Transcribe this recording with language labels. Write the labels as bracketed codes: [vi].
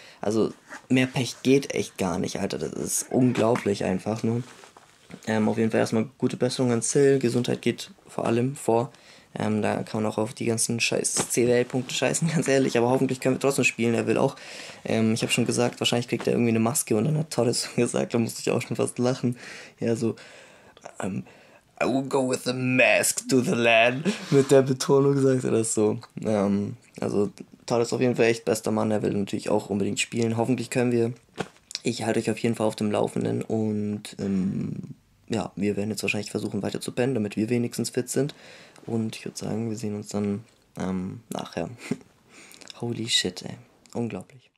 [de] Also mehr Pech geht echt gar nicht, Alter, das ist unglaublich einfach nur. Auf jeden Fall erstmal gute Besserung an Zill, Gesundheit geht vor allem vor. Da kann man auch auf die ganzen CWL-Punkte scheißen, ganz ehrlich, aber hoffentlich können wir trotzdem spielen, er will auch. Ich habe schon gesagt, wahrscheinlich kriegt er irgendwie eine Maske und dann hat Torres gesagt, da musste ich auch schon fast lachen. [en] Ja, so, I will go with the mask to the land. [de] Mit der Betonung sagt er das so. Also Torres auf jeden Fall echt bester Mann. Er will natürlich auch unbedingt spielen. Hoffentlich können wir. Ich halte euch auf jeden Fall auf dem Laufenden. Und wir werden jetzt wahrscheinlich versuchen weiter zu pennen, damit wir wenigstens fit sind. Und ich würde sagen, wir sehen uns dann nachher. [en] Holy shit, [de] ey. Unglaublich.